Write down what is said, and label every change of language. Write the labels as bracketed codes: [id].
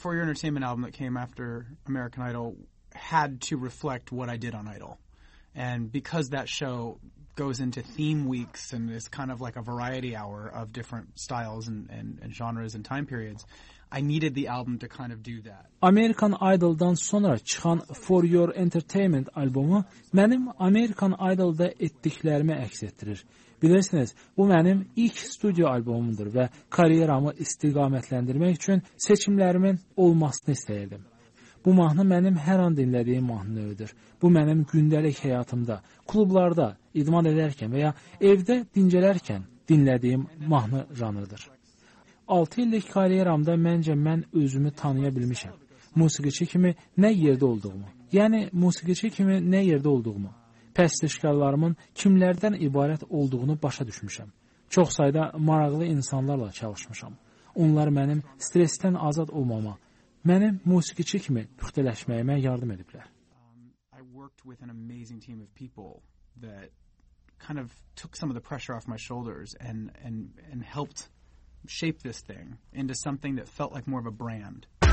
[en] Entertainment album that came after American Idol had to reflect what I did on Idol. And because that show goes into theme weeks and is kind of like a variety hour of different styles and genres and time periods, I needed the album to kind of do that. [az] American Idol'dan sonra çıxan For Your Entertainment albumu mənim American Idol'da etdiklərimi əks etdirir. Bilirsiniz, bu mənim ilk studio albumumdur və kariyeramı istiqamətləndirmək üçün seçimlərimin olmasını istəyirdim. Bu mahnı mənim hər an dinlədiyim mahnı növüdür. Bu mənim gündəlik həyatımda, klublarda idman edərkən və ya evdə dincələrkən dinlədiyim mahnı janrıdır. 6 illik kariyeramda məncə mən özümü tanıya bilmişəm. Musiqiçi kimi nə yerdə olduğumu, yəni musiqiçi kimi nə yerdə olduğumu, pəstişkarlarımın kimlərdən ibarət olduğunu başa düşmüşəm. Çox sayda maraqlı insanlarla çalışmışam. Onlar mənim stresdən azad olmama, mənim musiqiçi kimi püxtələşməyimə yardım ediblər. [en] I worked with an amazing team of people that kind of took some of the pressure off my shoulders and helped shape this thing into something that felt like more of a brand.